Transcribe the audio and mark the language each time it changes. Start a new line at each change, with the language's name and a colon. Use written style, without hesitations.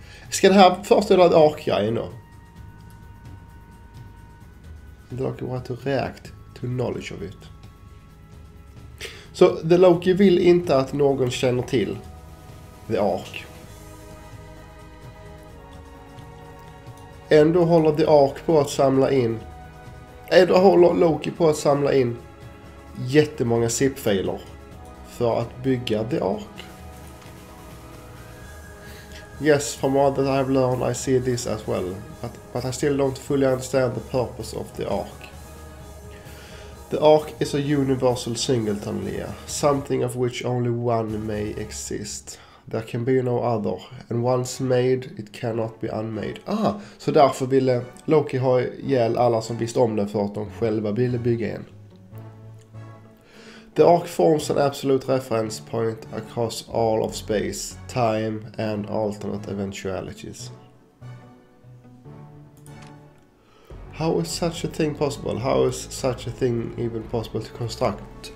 Swedish: Ska det här föreställa ett ark-grej nu?
English: The Loki want to react to knowledge of it.
Swedish: Så The Loki vill inte att någon känner till The Ark. Ändå håller The Ark på att samla in. Ändå håller Loki på att samla in jättemånga zip-filer för att bygga The Ark.
English: Yes, from all that I've learned I see this as well, but I still don't fully understand the purpose of The Ark. The Ark is a universal singleton, Leah, something of which only one may exist. There can be no other, and once made it cannot be unmade.
Swedish: Ah, så därför ville Loki ha ihjäl alla som visste om den för att de själva ville bygga en.
English: The Ark forms an absolute reference point across all of space, time, and alternate eventualities. How is such a thing possible? How is such a thing even possible to construct?